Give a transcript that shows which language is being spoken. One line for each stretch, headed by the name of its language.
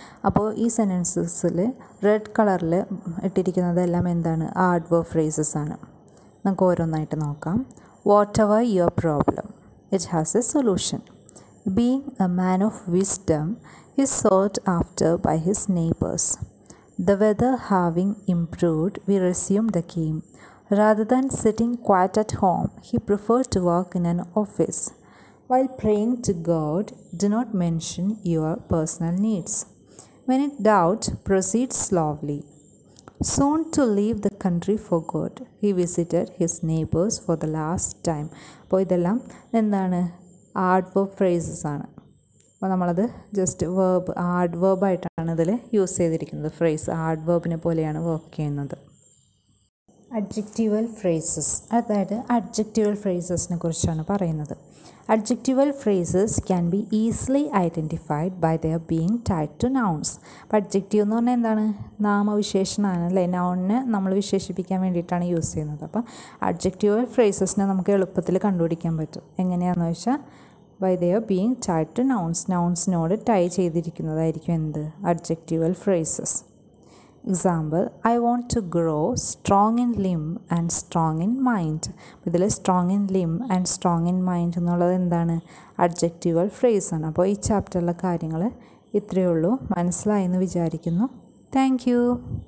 Malayalam: അപ്പോൾ ഈ സെൻറ്റൻസിൽ റെഡ് കളറിൽ ഇട്ടിരിക്കുന്നതെല്ലാം എന്താണ്, ആർട്ട് വർക്ക് ഫ്രേസസ് ആണ്. നമുക്ക് ഓരോന്നായിട്ട് നോക്കാം.
English: Whatever your problem, it has a solution. Being a man of wisdom, he sought after by his neighbours. The weather having improved, we resume the game. Rather than sitting quiet at home, he preferred to work in an office. While praying to God, do not mention your personal needs. When in doubt, proceed slowly. Soon to leave the country for good, he visited his neighbors for the last time.
Malayalam: അപ്പോൾ ഇതെല്ലാം എന്താണ്, art verb phrases ആണ്. അപ്പോൾ നമ്മളത് just verb, art verb ആയിട്ടാണ് ഇതിൽ use ചെയ്തിരിക്കുന്നത്. Phrase art വേർബിനെ പോലെയാണ് വർക്ക് ചെയ്യുന്നത്. അഡ്ജെക്റ്റീവൽ ഫ്രേസസ്, അതായത് അഡ്ജെക്റ്റീവൽ ഫ്രേസസിനെ കുറിച്ചാണ് പറയുന്നത്.
English: Adjectival phrases can be easily identified by their being tied to nouns.
Malayalam: അപ്പോൾ അഡ്ജെക്റ്റീവ് എന്ന് പറഞ്ഞാൽ എന്താണ്, നാമവിശേഷണമാണ് അല്ലേ. നൗണിനെ നമ്മൾ വിശേഷിപ്പിക്കാൻ വേണ്ടിയിട്ടാണ് യൂസ് ചെയ്യുന്നത്. അപ്പോൾ അഡ്ജെക്റ്റീവൽ ഫ്രേസസിനെ നമുക്ക് എളുപ്പത്തിൽ കണ്ടുപിടിക്കാൻ പറ്റും. എങ്ങനെയാണെന്ന് വെച്ചാൽ
English: by their being tied to nouns,
Malayalam: നൗൺസിനോട് tie ചെയ്തിരിക്കുന്നതായിരിക്കും എന്ത്, അഡ്ജെക്റ്റീവൽ phrases.
English: Example, I want to grow strong in limb and strong in mind.
Malayalam: ഇതിൽ
English: strong in limb and strong in mind
Malayalam: എന്നുള്ളത് എന്താണ്, അഡ്ജെക്റ്റീവൽ ഫ്രേസ് ആണ്. അപ്പോൾ ഈ ചാപ്റ്ററിലെ കാര്യങ്ങൾ ഇത്രയേ ഉള്ളൂ, മനസ്സിലായി എന്ന് വിചാരിക്കുന്നു. Thank you.